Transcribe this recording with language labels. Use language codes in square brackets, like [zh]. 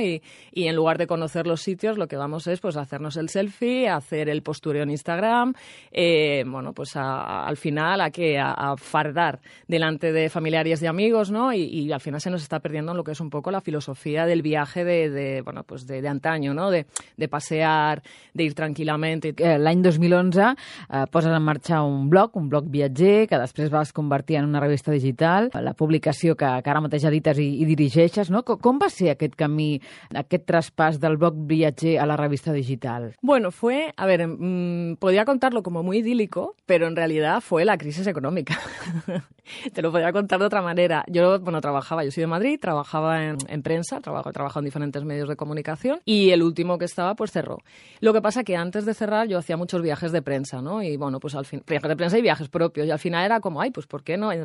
[es] Y en lugar de conocer los sitios, lo que vamos es pues hacernos el selfie, hacer el postureo en Instagram, bueno, pues al final a que a fardar delante de familiares y amigos, ¿no? Y al final se nos está perdiendo lo que es un poco la filosofía del viaje de antaño, ¿no? De pasear, de ir [ca] tranquil·lament. L'any 2011 poses en marxa un blog viatger, que després vas convertir en una revista digital, la publicació que ara mateix edites i dirigeixes, no? Com va ser aquest camí, aquest traspàs del blog viatger a la revista digital? [es] Bueno, podía contarlo como muy idílico, pero en realidad fue la crisis económica. Te lo podía contar de otra manera. Yo soy de Madrid, trabajaba en prensa, trabajo en diferentes medios de comunicación, y el último que estaba, pues cerró. Lo que pasa que antes de cerrar yo hacía muchos viajes de prensa, ¿no? Y bueno, pues al fin, viajes de prensa y viajes propios, y al final era como, ay, pues ¿por qué no?